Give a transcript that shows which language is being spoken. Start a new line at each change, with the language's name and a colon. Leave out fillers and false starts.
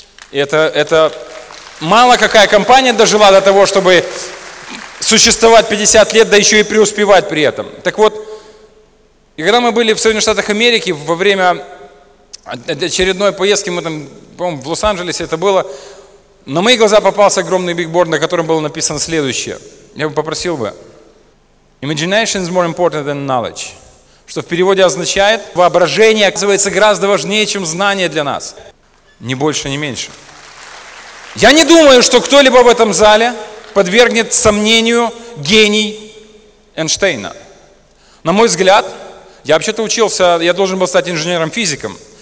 Russian: И это мало какая компания дожила до того, чтобы существовать 50 лет, да еще и преуспевать при этом. Так вот, и когда мы были в Соединенных Штатах Америки во время очередной поездки, мы там, по-моему, в Лос-Анджелесе это было, на мои глаза попался огромный бигборд, на котором было написано следующее. Я бы попросил бы.
English: Imagination is more important than knowledge.
Russian: Что в переводе означает, воображение оказывается гораздо важнее, чем знание для нас. Ни больше, ни меньше. Я не думаю, что кто-либо в этом зале подвергнет сомнению гений Эйнштейна. На мой взгляд, я вообще-то учился, я должен был стать инженером-физиком.